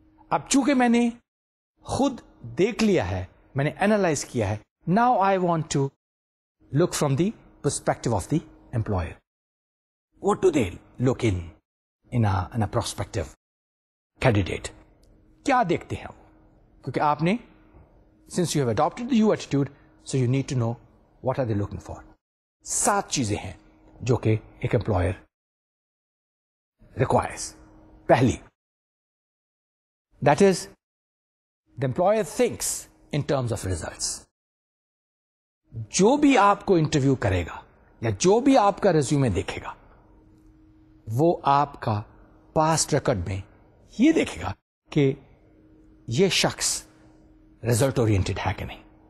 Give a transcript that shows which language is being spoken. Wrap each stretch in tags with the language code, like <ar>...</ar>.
<en>Ab chuke maine khud dekh liya hai, maine analyze kiya hai, now I want to look from the perspective of the employer. What do they look in a prospective candidate?</en> <ur>Kya dekhte hain wo? Kyunki aapne,</ur> <en>since you have adopted the you attitude, so you need to know what are they looking for.</en> <ur>سات چیزیں ہیں جو کہ ایک employer requires.</ur> <en>پہلی, that is the employer thinks in terms of results.</en> <ur>جو بھی آپ کو انٹرویو کرے گا یا جو بھی آپ کا ریزیومے دیکھے گا وہ آپ کا پاسٹ ریکارڈ میں یہ دیکھے گا کہ یہ شخص ریزلٹ اورینٹیڈ ہے کہ نہیں.</ur>